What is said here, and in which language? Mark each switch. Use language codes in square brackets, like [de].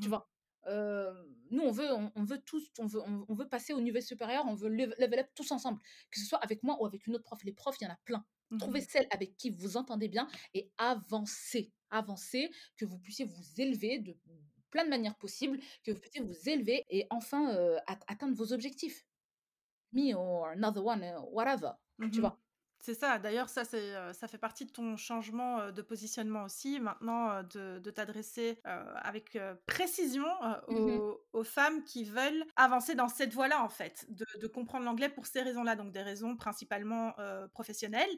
[fr] Tu vois, nous, on veut passer au niveau supérieur, on veut [en] level up [fr] tous ensemble, que ce soit avec moi ou avec une autre prof. Les profs, il y en a plein. Mm-hmm. Trouvez celle avec qui vous entendez bien et avancez, que vous puissiez vous élever de plein de manières possibles, que vous puissiez vous élever et enfin atteindre vos objectifs. [en] Me or another one, whatever, mm-hmm. [fr] Tu vois. C'est ça, d'ailleurs, ça fait partie de ton changement de positionnement aussi, maintenant, de t'adresser avec précision aux femmes qui veulent avancer dans cette voie-là, en fait, de comprendre l'anglais pour ces raisons-là, donc des raisons principalement professionnelles.